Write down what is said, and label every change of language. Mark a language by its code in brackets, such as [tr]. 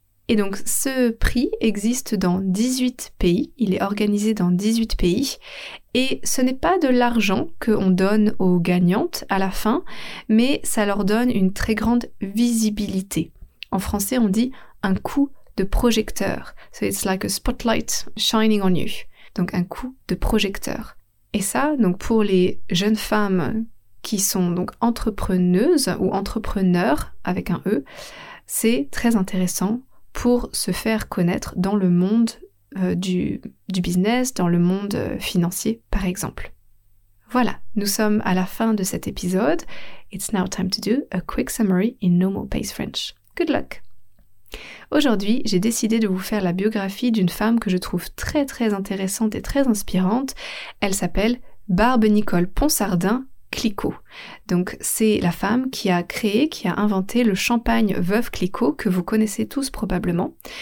[fr] Et donc ce prix existe dans 18 pays, il est organisé dans 18 pays et ce n'est pas de l'argent qu'on donne aux gagnantes à la fin, mais ça leur donne une très grande visibilité. En français, on dit un coup de projecteur. [en] So it's like a spotlight shining on you. [fr] Donc un coup de projecteur. Et ça, donc pour les jeunes femmes qui sont donc entrepreneuses ou entrepreneurs avec un E, c'est très intéressant pour se faire connaître dans le monde du business, dans le monde financier par exemple. Voilà, nous sommes à la fin de cet épisode. [en] It's now time to do a quick summary in normal pace French. Good luck! [fr] Aujourd'hui, j'ai décidé de vous faire la biographie d'une femme que je trouve très très intéressante et très inspirante. Elle s'appelle Barbe-Nicole Ponsardin Clicquot. Donc c'est la femme qui a créé, qui a inventé le champagne Veuve Clicquot que vous connaissez tous probablement.